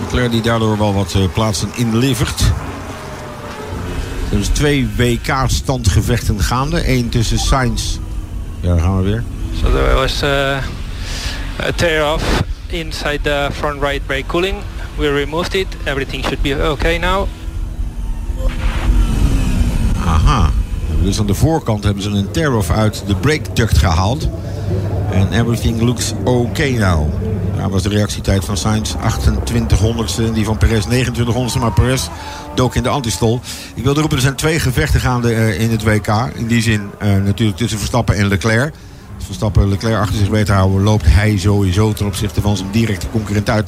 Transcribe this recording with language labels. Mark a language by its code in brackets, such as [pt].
[nl] Die daardoor wel wat plaatsen inlevert. Er zijn twee WK-standgevechten gaande. Eén tussen Sainz. Ja, daar gaan we weer. [en] So there was a tear-off inside the front right brake cooling. We removed it. Everything should be okay now. Aha. [nl] Dus aan de voorkant hebben ze een tear-off uit de brake duct gehaald. [en] And everything looks okay now. [nl] Ja, was de reactietijd van Sainz 28-honderdste en die van Perez 29-honderdste. Maar Perez dook in de antistol. Ik wilde roepen, er zijn twee gevechten gaande in het WK. In die zin natuurlijk tussen Verstappen en Leclerc. Als Verstappen Leclerc achter zich weet te houden, loopt hij sowieso ten opzichte van zijn directe concurrent uit.